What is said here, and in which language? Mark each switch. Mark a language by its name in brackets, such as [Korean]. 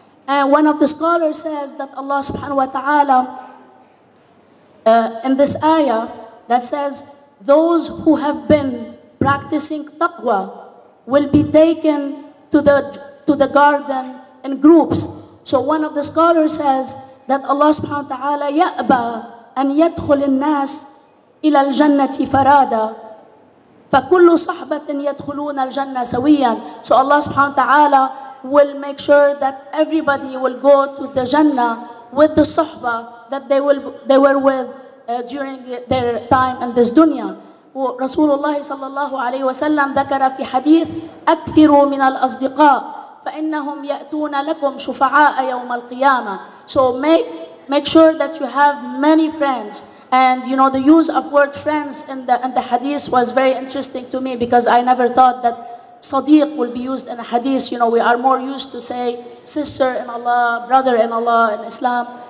[English] And one of the scholars says that Allah subhanahu wa ta'ala in this ayah that says, those who have been practicing taqwa will be taken to the garden in groups. So one of the scholars says that Allah subhanahu wa ta'ala [Arabic] يَأْبَى أَنْ يَدْخُلِ النَّاسِ إلى الجنة فرادا فكل صحبة يدخلون الجنة سويا. [English] So Allah subhanahu wa ta'ala will make sure that everybody will go to the Jannah with the صحبة that they were with during their time in this dunya. [Arabic] رسول الله صلى الله عليه وسلم ذكر في حديث أكثروا من الأصدقاء فإنهم يأتون لكم شفعاء يوم القيامة. [English] So make sure that you have many friends. And you know, the use of word friends in the hadith was very interesting to me, because I never thought that sadiq will be used in a hadith. You know, we are more used to say sister in Allah, brother in Allah in Islam.